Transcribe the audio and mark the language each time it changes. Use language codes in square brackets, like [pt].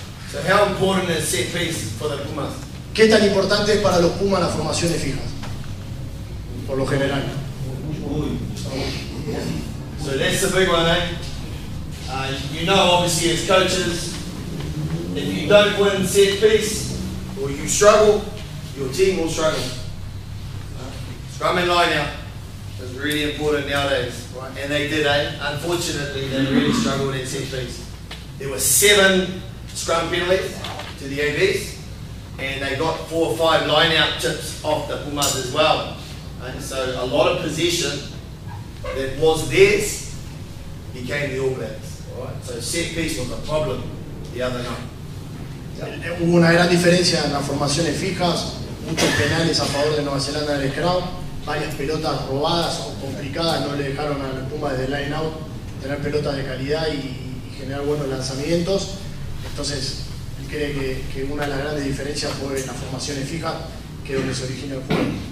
[en] So how important is set piece for the Pumas? [es] ¿Qué tan importante es para los Pumas las formaciones fijas? Por lo general. [en] So that's the big one, eh? You know, obviously, as coaches, if you don't win set piece or you struggle, your team will struggle. Scrum and line out is really important nowadays. Right. And they did, eh? Unfortunately, they really struggled at set piece. There were 7 scrum penalties to the ABs. And they got 4 or 5 line-out tips off the Pumas as well. And so a lot of possession that was theirs became the All Blacks. So set piece was a problem the other night. Yep. [es] Hubo una gran diferencia en las formaciones fijas, muchos penales a favor de Nueva Zelanda en el scrum, varias pelotas robadas o complicadas no le dejaron a los Pumas de line-out tener pelotas de calidad y generar buenos lanzamientos. Entonces, cree que una de las grandes diferencias fue en las formaciones fijas, que es donde se originó el juego.